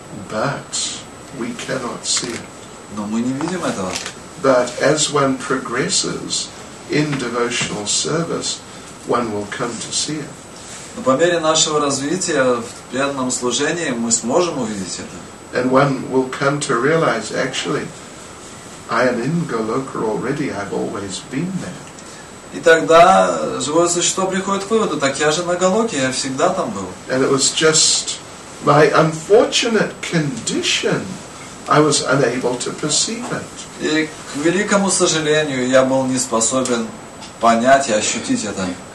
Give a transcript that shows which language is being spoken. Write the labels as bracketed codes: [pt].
[en] But we cannot see it. [ru] Но мы не видим этого. [en] But as one progresses in devotional service, one will come to see it. [ru] Но по мере нашего развития в преданном служении мы сможем увидеть это. [en] And one will come to realize, actually, I am in Goloka already, I've always been there. [ru] И тогда живое существо приходит к выводу, так я же на Голоке, я всегда там был. [en] And it was just my unfortunate condition, I was unable to perceive it. [ru] И к великому сожалению, я был не способен понять и ощутить это.